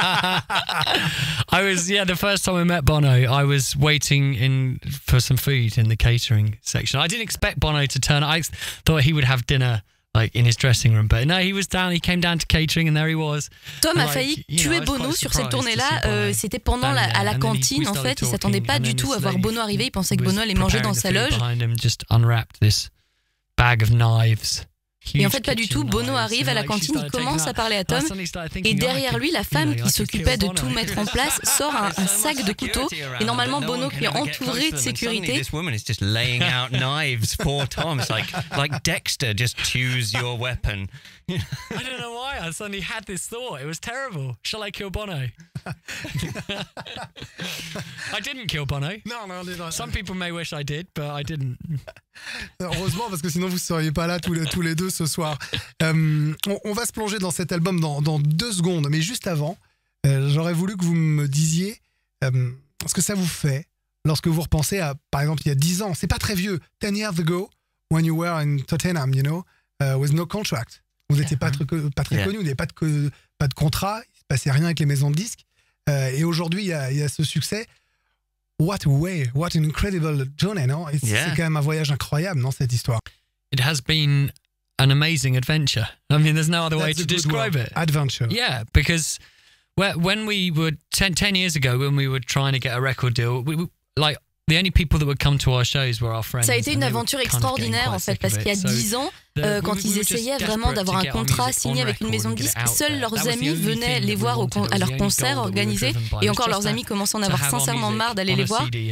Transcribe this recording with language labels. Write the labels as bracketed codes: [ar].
[en] I was, the first time I met Bono, I was waiting in for some food in the catering section. I didn't expect Bono to turn up. I thought he would have dinner like in his dressing room, but no, he was down, he came down to catering and there he was. [fr] Tom a failli tuer Bono sur cette tournée-là, c'était pendant à la cantine en fait, il s'attendait pas du tout à voir Bono arriver, il pensait que Bono allait manger dans sa loge. [en] Behind him just unwrapped this bag of knives. [fr] Et en fait, pas du tout. Bono arrive à la cantine, il commence à parler à Tom. Et derrière lui, la femme qui s'occupait de tout mettre en place sort un sac de couteaux. Et normalement, Bono qui est entouré de sécurité. [en] This woman is just laying out knives for Tom. It's like Dexter, just choose your weapon. I don't know why I suddenly had this thought. It was terrible. Shall I kill Bono? I didn't kill Bono. Non, I didn't. Some people may wish I did, but I didn't. [fr] Heureusement, parce que sinon vous ne seriez pas là tous les deux ce soir. On va se plonger dans cet album dans 2 secondes, mais juste avant, j'aurais voulu que vous me disiez ce que ça vous fait lorsque vous repensez à, par exemple, il y a 10 ans. C'est pas très vieux. [en] 10 years ago, when you were in Tottenham, you know, with no contract. [fr] Vous n'étiez pas très connu, vous n'avez pas de contrat, il ne se passait rien avec les maisons de disques. Et aujourd'hui, il y a ce succès. [en] What a way, what an incredible journey, non? [fr] C'est quand même un voyage incroyable, non, cette histoire. [en] It has been an amazing adventure. I mean, there's no other way to describe it. Adventure. Yeah, because when we were 10 years ago, when we were trying to get a record deal, we like The only people that would come to our shows were our friends. [fr] Ça a été une aventure extraordinaire, en fait, parce qu'il y a 10 ans, quand ils essayaient vraiment d'avoir un contrat signé avec une maison de disques, seuls leurs amis venaient les voir à leurs concerts organisés, et encore leurs amis commençaient à en avoir sincèrement marre d'aller les voir.